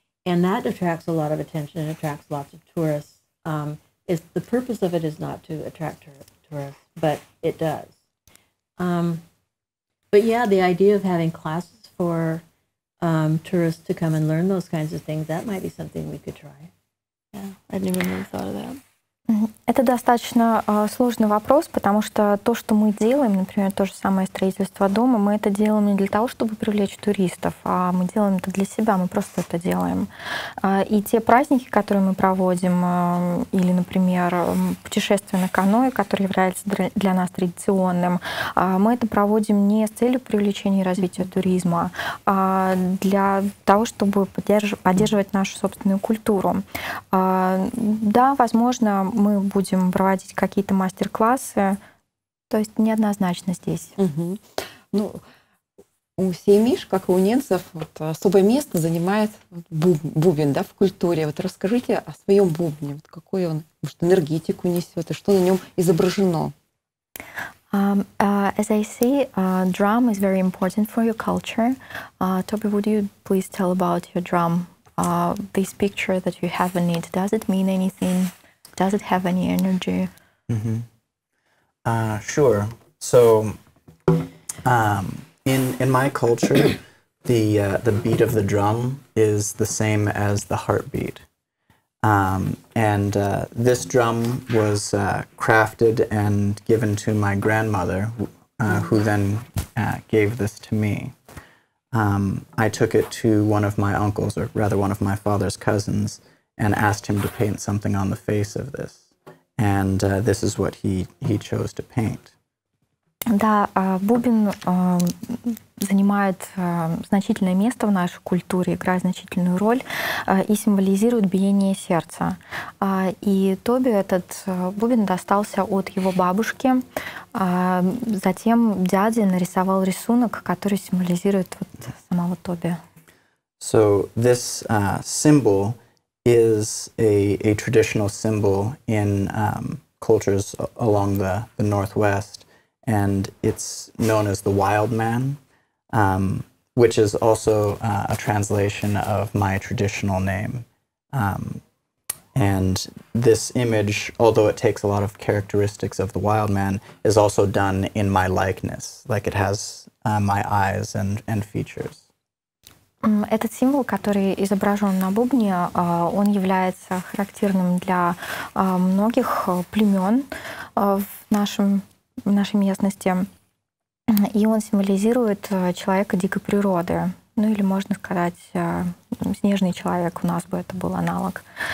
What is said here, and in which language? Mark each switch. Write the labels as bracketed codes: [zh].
[en] And that attracts a lot of attention and attracts lots of tourists. It's the purpose of it is not to attract tourists, but it does. But yeah, the idea of having classes for tourists to come and learn those kinds of things, that might be something we could try. Yeah, I never really thought of that. [ru] Это достаточно сложный вопрос, потому что то, что мы делаем, например, то же самое строительство дома, мы это делаем не для того, чтобы привлечь туристов, а мы делаем это для себя, мы просто это делаем. И те праздники, которые мы проводим, или, например, путешествие на каноэ, которое является для нас традиционным, мы это проводим не с целью привлечения и развития туризма, а для того, чтобы поддерживать нашу собственную культуру. Да, возможно, мы будем проводить какие-то мастер-классы. То есть неоднозначно здесь. Ну, у Сеймиш, как и у ненцев, вот, особое место занимает бубен, да, в культуре. Вот расскажите о своем бубне. Вот какой он, может, энергетику несет, и что на нем изображено? [en] As I see, drum is very important for your culture. Toby, would you please tell about your drum? This picture that you have in it, does it mean anything? Does it have any energy? Sure. So, in my culture, the beat of the drum is the same as the heartbeat. This drum was crafted and given to my grandmother, who then gave this to me. I took it to one of my uncles, or rather one of my father's cousins, and asked him to paint something on the face of this. And this is what he chose to paint. [ru] Да, бубен занимает значительное место в нашей культуре, играет значительную роль и символизирует биение сердца. И Тоби этот бубен достался от его бабушки. Затем дядя нарисовал рисунок, который символизирует вот самого Тоби. [en] So this symbol is a traditional symbol in cultures along the Northwest, and it's known as the wild man, which is also a translation of my traditional name. And this image, although it takes a lot of characteristics of the wild man, is also done in my likeness, like it has my eyes and features. [ru] Этот символ, который изображен на бубне, он является характерным для многих племен в нашей местности. И он символизирует человека дикой природы. Ну или можно сказать, снежный человек у нас бы это был аналог.